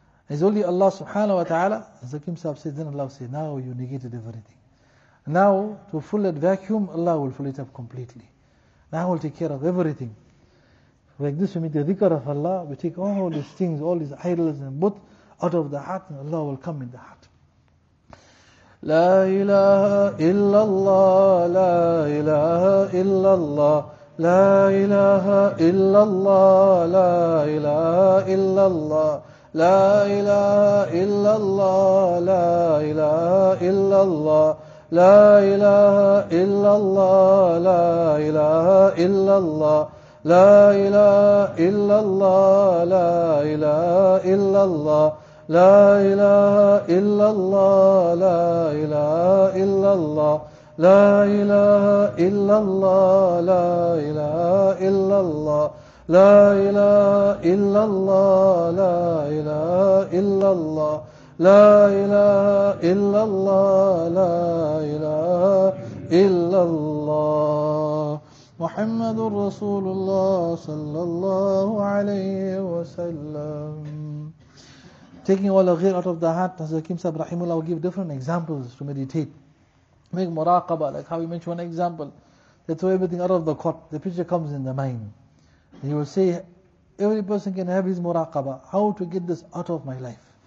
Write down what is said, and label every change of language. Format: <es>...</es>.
<en>It's only Allah subhanahu wa ta'ala. Zakim Sahib says, then Allah says, now you negated everything. Now, to fill that vacuum, Allah will fill it up completely. Now we'll take care of everything. Like this, we make the dhikr of Allah, we take all these things, all these idols and but out of the heart, and Allah will come in the heart.</en> <ar>La ilaha illallah, la ilaha illallah, la ilaha illallah, la ilaha illallah, la ilaha illallah, la ilaha illallah, لا إله إلا الله لا إله إلا الله لا إله إلا الله لا إله إلا الله لا إله إلا الله لا إله إلا الله لا إله إلا الله لا إله إلا الله لا إله إلا الله لا إله إلا الله لا إله إلا الله لا إله إلا الله محمد رسول الله صلى الله عليه وسلم.</ar> <en>Taking all the ghir out of the heart, as Hakim Sahib Rahimullah will give different examples to meditate. Make muraqabah, like how we mentioned one example. They throw everything out of the court, the picture comes in the mind. He will say, every person can have his muraqabah, how to get this out of my life.</en>